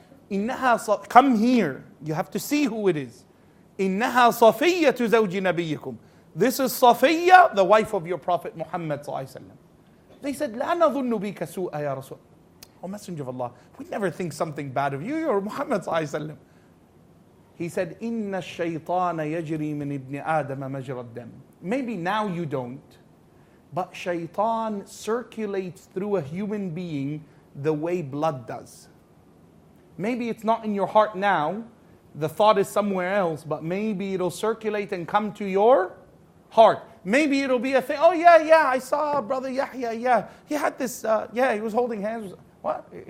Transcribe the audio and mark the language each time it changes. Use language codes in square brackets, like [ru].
[ar] إِنَّهَا [en] Come here! You have to see who it is. [ar] إِنَّهَا صَفِيَّةُ زَوْجِ نَبِيِّكُمْ [en] This is Safiya, the wife of your Prophet Muhammad ﷺ. They said, [ar] لَا نَظُنُّ بِكَ سُوءَ يَا رَسُولَ [en] Oh, Messenger of Allah, we never think something bad of you. You're Muhammad ﷺ. He said, [ar] إِنَّ الشَّيْطَانَ يَجْرِي مِنْ إِبْنِ آدَمَ مَجْرَ الدَّمِ [en] Maybe now you don't. But shaitan circulates through a human being the way blood does. Maybe it's not in your heart now. The thought is somewhere else. But maybe it'll circulate and come to your heart. Maybe it'll be a thing. Oh yeah, yeah, I saw Brother Yahya, yeah. He had this, yeah, he was holding hands. What?